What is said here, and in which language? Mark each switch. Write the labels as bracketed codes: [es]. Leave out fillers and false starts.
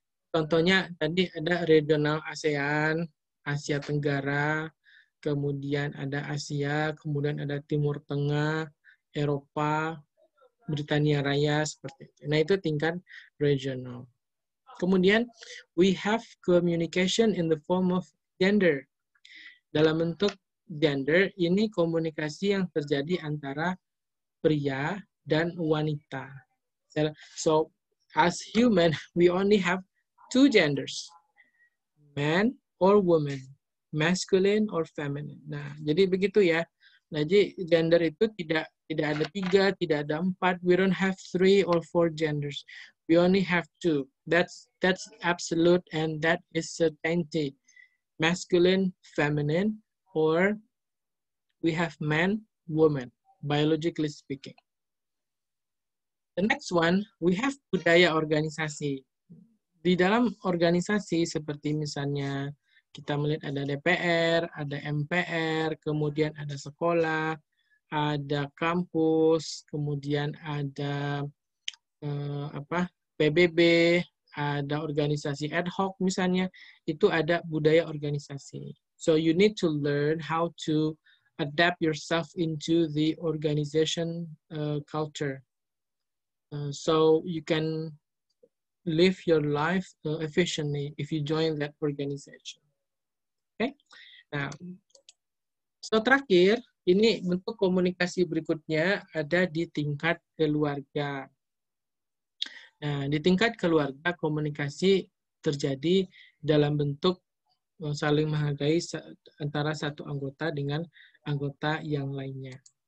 [id] Contohnya tadi ada regional ASEAN, Asia Tenggara, kemudian ada Asia, kemudian ada Timur Tengah, Eropa, Britania Raya seperti itu. Nah, itu tingkat regional. [en] Kemudian we have communication in the form of gender. [id] Dalam bentuk gender, ini komunikasi yang terjadi antara pria dan wanita. [en] So, as human, we only have two genders. Man or woman. Masculine or feminine. [id] Nah, jadi begitu ya. Nah, jadi gender itu tidak ada tiga, tidak ada empat. [en] We don't have three or four genders. We only have two. That's absolute and that is certainty. Masculine, feminine, or we have man, woman, biologically speaking. The next one, we have [id] budaya organisasi. Di dalam organisasi seperti misalnya kita melihat ada DPR, ada MPR, kemudian ada sekolah, ada kampus, kemudian ada PBB, ada organisasi ad hoc misalnya, itu ada budaya organisasi. [en] So you need to learn how to adapt yourself into the organization culture. So you can live your life efficiently if you join that organization. Okay? [id] Nah, so terakhir, ini bentuk komunikasi berikutnya ada di tingkat keluarga. Nah, di tingkat keluarga, komunikasi terjadi dalam bentuk saling menghargai antara satu anggota dengan anggota yang lainnya.